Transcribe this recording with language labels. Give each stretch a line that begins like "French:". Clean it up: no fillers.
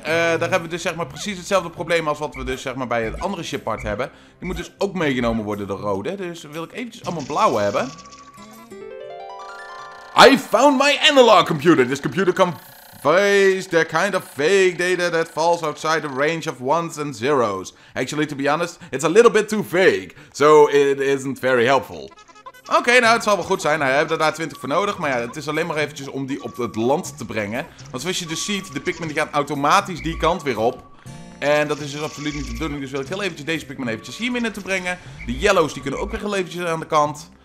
Dutch: Daar hebben we dus zeg maar precies hetzelfde probleem als wat we dus zeg maar bij het andere shipart hebben. Die moet dus ook meegenomen worden door rode. Dus wil ik eventjes allemaal blauwe hebben.
English: I found my analog computer. This computer can... face the kind of fake data that falls outside the range of ones and zeros. Actually, to be honest, it's a little bit too fake, so it isn't very helpful.
Dutch: Oké, okay, nou, het zal wel goed zijn. Nou, we hebben er daar 20 voor nodig. Maar ja, het is alleen maar eventjes om die op het land te brengen. Want zoals je dus ziet, de Pikmin gaan automatisch die kant weer op. En dat is dus absoluut niet de bedoeling. Dus wil ik heel eventjes deze Pikmin eventjes hier binnen te brengen. De Yellows die kunnen ook weer heel eventjes aan de kant.